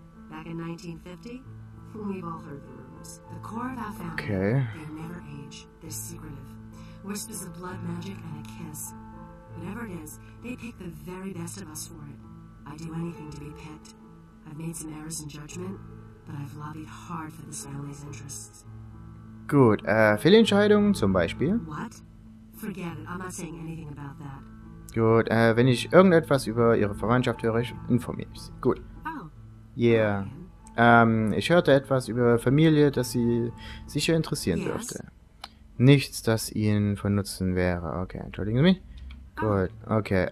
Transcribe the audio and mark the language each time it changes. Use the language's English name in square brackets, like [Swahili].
[English] Back in 1950, we've all heard the rumors. The core of our family, okay. They never age, they're secretive. Whispers of blood magic and a kiss. Whatever it is, they pick the very best of us for it. I'd do anything to be picked. I've made some errors in judgment, but I've lobbied hard for this family's interests. [German] Gut, Fehlentscheidungen zum Beispiel? [English] What? Forget it, I'm not saying anything about that. [German] Gut, wenn ich irgendetwas über Ihre Verwandtschaft höre, informiere ich Sie. Gut. Yeah. Ich hörte etwas über Familie, das Sie sicher interessieren dürfte. Nichts, das Ihnen von Nutzen wäre. Okay, entschuldigen Sie mich. Gut, okay.